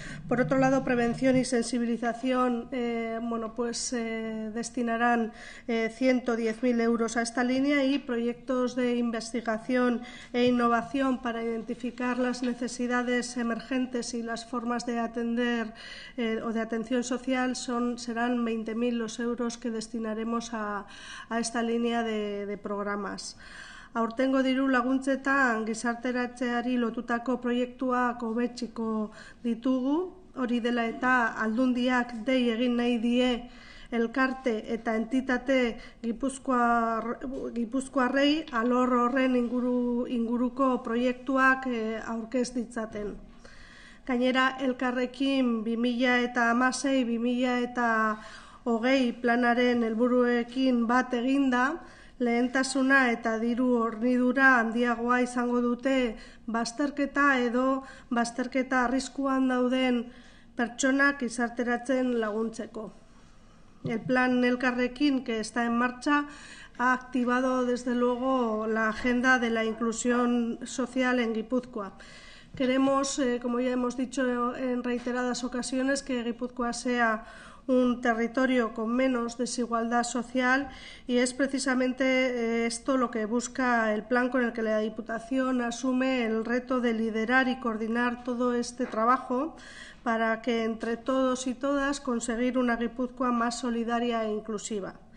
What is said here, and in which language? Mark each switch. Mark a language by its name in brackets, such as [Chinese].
[Spanish] Por otro lado, prevención y sensibilización destinarán 110.000 euros a esta línea y proyectos de investigación e innovación para identificar las necesidades emergentes y las formas de atender o de atención social serán 20.000 los euros que destinaremos a esta línea de programas. [Basque] Aurtengo diru laguntzetan gizarteratzeari lotutako proiektuak hobetsiko ditugu. Hori dela eta aldundiak dei egin nahi die elkarte eta entitate gipuzkoarrei alor horren inguruko proiektuak aurkez ditzaten. Gainera, elkarrekin 2016-2020 planaren helburuekin bat eginda, lehentasuna eta diru hornidura handiagoa izango dute bazterketa edo bazterketa arriskuan dauden pertsonak gizarteratzen laguntzeko. [Spanish] El plan Elkarrekin, que está en marcha, ha activado desde luego la agenda de la inclusión social en Gipuzkoa. Queremos, como ya hemos dicho en reiteradas ocasiones, que Gipuzkoa sea un territorio con menos desigualdad social y es precisamente esto lo que busca el plan con el que la Diputación asume el reto de liderar y coordinar todo este trabajo para que entre todos y todas conseguir una Gipuzkoa más solidaria e inclusiva.